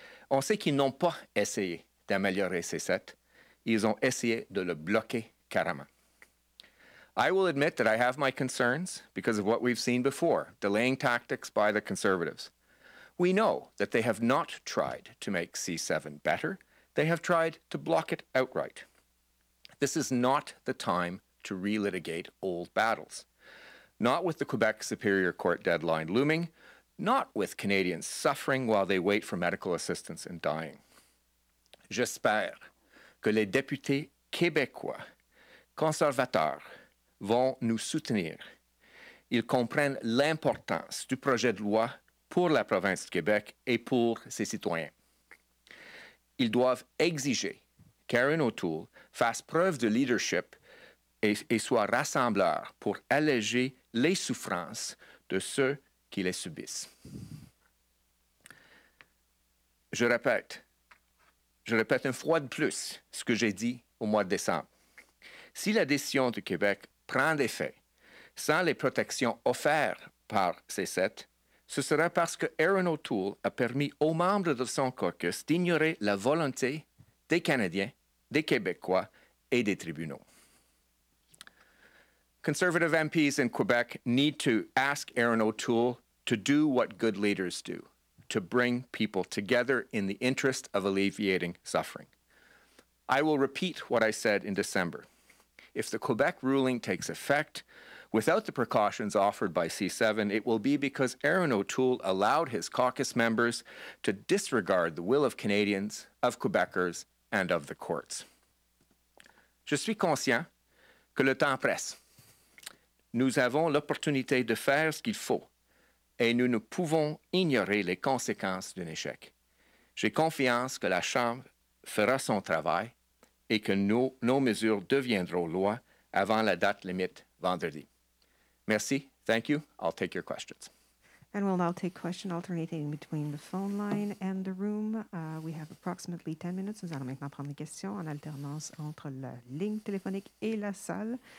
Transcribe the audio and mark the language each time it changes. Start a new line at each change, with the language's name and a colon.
French: On sait qu'ils n'ont pas essayé d'améliorer C7. Ils ont essayé de le bloquer carrément.
English: I will admit that I have my concerns because of what we've seen before, delaying tactics by the conservatives. We know that they have not tried to make C7 better. They have tried to block it outright. This is not the time to relitigate old battles. Not with the Quebec Superior Court deadline looming, not with Canadians suffering while they wait for medical assistance and dying.
French: J'espère que les députés québécois conservateurs vont nous soutenir. Ils comprennent l'importance du projet de loi pour la province de Québec et pour ses citoyens. Ils doivent exiger qu'Erin O'Toole fasse preuve de leadership et soit rassembleur pour alléger les souffrances de ceux qui les subissent. Je répète une fois de plus ce que j'ai dit au mois de décembre. Si la décision du Québec prend effet sans les protections offertes par C7, ce sera parce que Erin O'Toole a permis aux membres de son caucus d'ignorer la volonté des Canadiens, des Québécois et des tribunaux.
English: Conservative MPs in Quebec need to ask Erin O'Toole to do what good leaders do, to bring people together in the interest of alleviating suffering. I will repeat what I said in December. If the Quebec ruling takes effect, without the precautions offered by C7, it will be because Erin O'Toole allowed his caucus members to disregard the will of Canadians, of Quebecers, and of the courts.
French: Je suis conscient que le temps presse. Nous avons l'opportunité de faire ce qu'il faut et nous ne pouvons ignorer les conséquences d'un échec. J'ai confiance que la Chambre fera son travail et que nos mesures deviendront loi avant la date limite vendredi. Merci.
English: Thank you. I'll take your questions. And we'll now take question alternating between the phone line and the room. We have approximately 10 minutes.
French: Nous allons maintenant prendre les questions en alternance entre la ligne téléphonique et la salle.